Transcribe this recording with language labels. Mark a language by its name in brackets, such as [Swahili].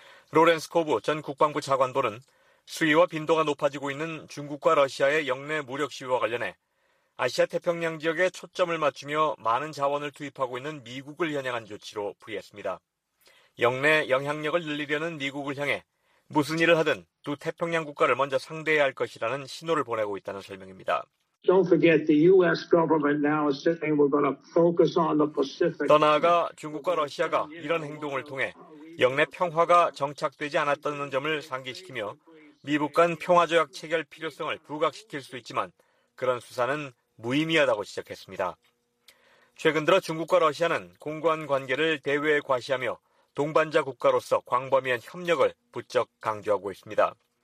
[Korean] 로렌스 코브 전 국방부 차관보는 수위와 빈도가 높아지고 있는 중국과 러시아의 영내 무력 시위와 관련해 아시아 태평양 지역에 초점을 맞추며 많은 자원을 투입하고 있는 미국을 겨냥한 조치로 풀이했습니다. 영내 영향력을 늘리려는 미국을 향해 무슨 일을 하든 두 태평양 국가를 먼저 상대해야 할 것이라는 신호를 보내고 있다는 설명입니다. [English] Don't forget the U.S. government now is saying we're going to focus on the Pacific. [Korean] 더 나아가 중국과 러시아가 이런 행동을 통해 영내 평화가 정착되지 않았다는 점을 상기시키며 미국 간 평화조약 체결 필요성을 부각시킬 수 있지만 그런 수사는 무의미하다고 지적했습니다. 최근 들어 중국과 러시아는 공관 관계를 대외에 과시하며 동반자 국가로서 광범위한 협력을 부쩍 강조하고 있습니다.